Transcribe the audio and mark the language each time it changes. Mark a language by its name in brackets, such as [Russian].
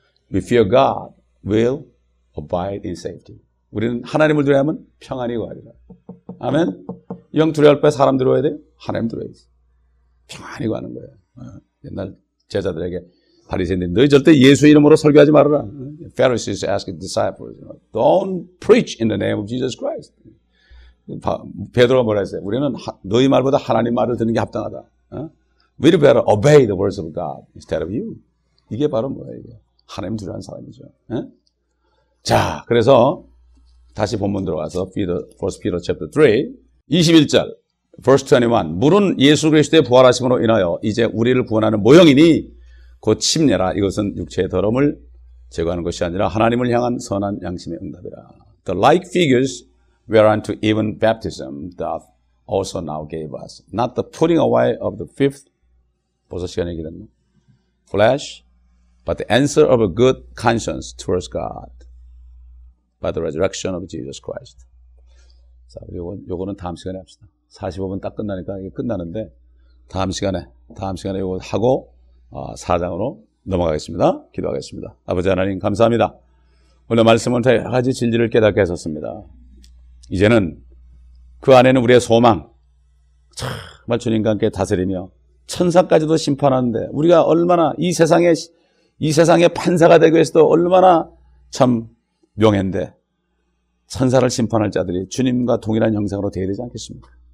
[English] We fear God, we'll abide in safety. [Korean] 우리는 하나님을 두려워하면 평안이 구하리라. 아멘. 영 두려워할 바에 사람 두려워야 돼? 하나님 두려워야지. 평안이 구하는 거예요. 옛날 제자들에게 바리새인들 너희 절대 예수 이름으로 설교하지 말아라. [English] Pharisees ask disciples, don't preach in the name of Jesus Christ. [Korean] 베드로가 뭐라 했어요? 우리는 너희 말보다 하나님 말을 듣는 게 합당하다. [English] We'd better obey the words of God instead of you. [Korean] 이게 바로 뭐예요? 이게? 하나님 두려워하는 사람이죠. 자, 그래서 다시 본문 들어가서 [English] First Peter chapter 3, [Korean] 21절, [English] verse 21. [Korean] 물은 예수 그리스도의 부활하심으로 인하여 이제 우리를 구원하는 모형이니 곧 침례라. 이것은 육체의 더러움을 제거하는 것이 아니라 하나님을 향한 선한 양심의 응답이라. [English] The like figures whereunto even baptism doth also now gave us. Not the putting away of the fifth, [Korean] 보소 시간에 기다렸나? [English] Flesh, but the answer of a good conscience towards God by the resurrection of Jesus Christ. [Korean] 자, 요거는 다음 시간에 합시다. 45분 딱 끝나니까 이게 끝나는데, 다음 시간에 요거 하고, 4장으로 넘어가겠습니다. 기도하겠습니다. 아버지 하나님, 감사합니다. 오늘 말씀을 통해 여러 가지 진리를 깨닫게 하셨습니다. 이제는 그 안에는 우리의 소망, 정말 주님과 함께 다스리며, 천사까지도 심판하는데, 우리가 얼마나 이 세상의 판사가 되기 위해서도 얼마나 참 명예인데, 천사를 심판할 자들이 주님과 동일한 형상으로 되어야 되지 않겠습니까?